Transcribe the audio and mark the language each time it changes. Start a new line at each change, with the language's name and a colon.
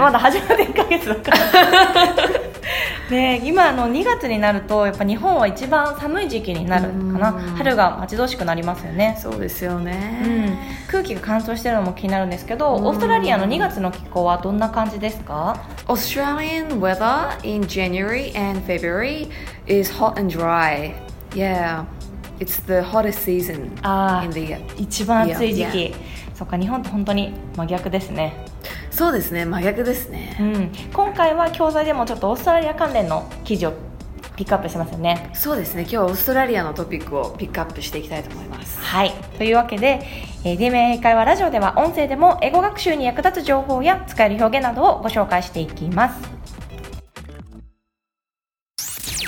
Japanese: まだ始まって1ヶ月だからで今の2月になるとやっぱ日本は一番寒い時期になるかな。春が待ち遠しくなりますよね。そうですよね、うん、空気が乾燥してるのも気になるんですけど、オーストラリアの2月の気候はどんな感じですか？
English: Australian weather in January and February is hot and dry. Yeah, it's the hottest season in the year.
Japanese: 一番暑い時期、yeah. そうか、日本と本当に真逆ですね。そうですね、真逆ですね、うん、今回は教材でもちょっとオーストラリア関連の記事をピックアップしますよね。そうですね、今日はオーストラリアのトピックをピックアップしていきたいと思います。はい、というわけで、DMM 英会話ラジオでは音声でも英語学習に役立つ情報や使える表現などをご紹介していきます。